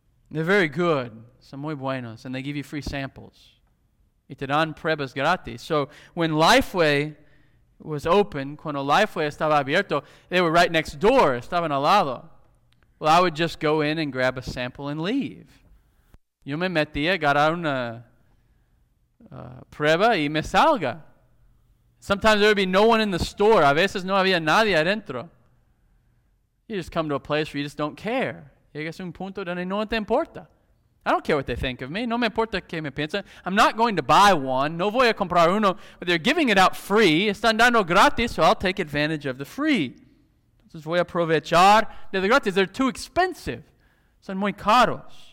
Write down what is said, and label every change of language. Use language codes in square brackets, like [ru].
[en] They're very good. [es] Son muy buenos. [en] And they give you free samples. [es] Y te dan pruebas gratis. [en] So when Lifeway was open, [es] cuando Lifeway estaba abierto, [en] they were right next door, [es] estaban al lado. [en] Well, I would just go in and grab a sample and leave. [es] Yo me metía, agarraba una prueba y me salga. [en] Sometimes there would be no one in the store. [es] A veces no había nadie adentro. [en] You just come to a place where you just don't care. [es] Llegas a un punto donde no te importa. [en] I don't care what they think of me. [es] No me importa que me piensan. [en] I'm not going to buy one. [es] No voy a comprar uno. [en] But they're giving it out free. [es] Están dando gratis, [en] so I'll take advantage of the free. [es] Entonces voy a aprovechar de la gratis. [en] They're too expensive. [es] Son muy caros.